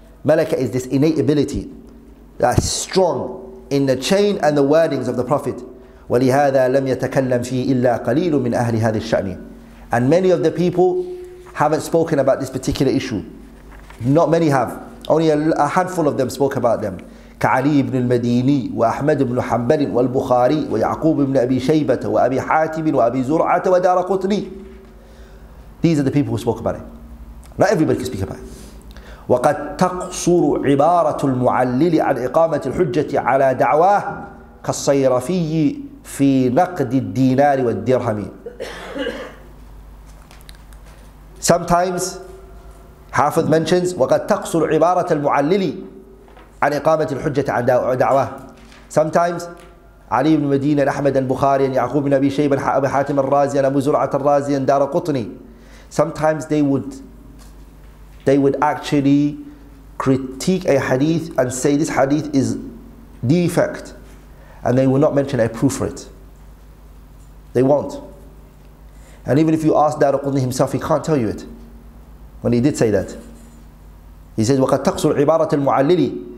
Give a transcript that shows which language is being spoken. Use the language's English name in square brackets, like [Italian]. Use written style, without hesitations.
[English] Malaka is this innate ability that is strong in the chain and the wordings of the Prophet. [Arabic] وَلِهَذَا لَمْ يَتَكَلَّمْ فِيهِ إِلَّا قَلِيلٌ مِنْ أَهْلِ هَذِي الشَّأْنِ. [English] And many of the people haven't spoken about this particular issue. Not many have. Only a handful of them spoke about them. [Arabic] كعلي بن المديني وأحمد بن حنبل والبخاري ويعقوب بن أبي شيبة وأبي حاتم وأبي زرعة ودارقطني. [English] These are the people who spoke about it. Not everybody can speak about it. [Arabic] وقد تقصر عبارة المعلل عن إقامة الحجة على دعواه كالصيرفي في نقد الدينار والدرهم. [English] Sometimes Hafiz mentions [Arabic] وقد تقصر عبارة المعلل عن إقامة الحجة عن دعوة. [English] Sometimes [Arabic] علي بن مدينة أحمد البخاري يعقوب بن أبي شيبة أبي حاتم الرازي أبو زرعة الرازي دار قطني. [English] Sometimes they would actually critique a hadith and say this hadith is defect, and they will not mention a proof for it. They won't. And even if you ask دار قطني himself, he can't tell you it. When he did say that, he says [Arabic] وقد تقصر عبارة المعلل.